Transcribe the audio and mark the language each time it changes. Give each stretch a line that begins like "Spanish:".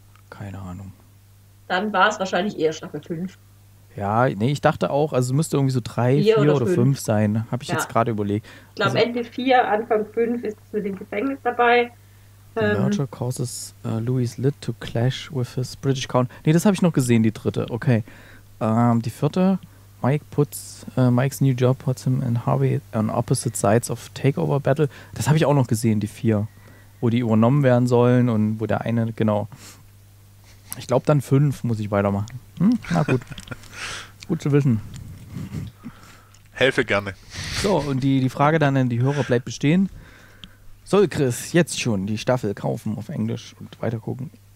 German: Keine Ahnung. Dann war es wahrscheinlich eher Staffel 5. Ja, nee, ich dachte auch, also es müsste irgendwie so 3, 4 oder 5 sein, habe ich jetzt gerade überlegt. Ich glaube, Ende 4, Anfang 5 ist es mit dem Gefängnis dabei.
English: The merger causes Louis Litt to clash with his British count.
German: Nee, das habe ich noch gesehen, die dritte. Okay. Die vierte,
English: Mike's new job puts him and Harvey on opposite sides of takeover battle.
German: Das habe ich auch noch gesehen, die 4. Wo die übernommen werden sollen und wo der eine, genau. Ich glaube, dann 5 muss ich weitermachen. Na gut. Gut zu wissen. Helfe gerne. So, und die Frage dann an die Hörer bleibt bestehen. Soll Chris jetzt schon die Staffel kaufen auf Englisch und weitergucken?